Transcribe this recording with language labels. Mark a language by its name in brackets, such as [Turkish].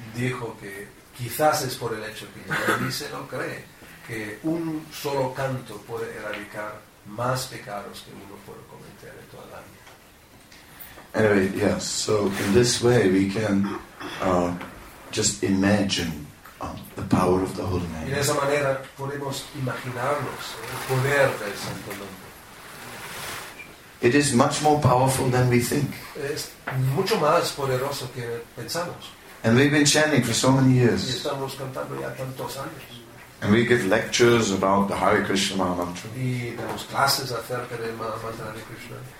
[Spanish] Dijo que quizás es por el hecho que dice no cree que un solo canto puede erradicar más pecados que uno puede cometer en toda la vida. [English] Anyway, yes. So in this way we can just imagine the power of the Holy Name. [Spanish] Y de esa manera podemos imaginarnos el poder del Santo Nombre. [English] It is much more powerful than we think. [Spanish] Es mucho más poderoso que pensamos. [English] And we've been chanting for so many years. [Spanish] Y estamos cantando ya tantos años. [English] And we give lectures about the Hare Krishna Mahamantra. [Spanish] Y damos clases acerca del Mahamantra Hare Krishna.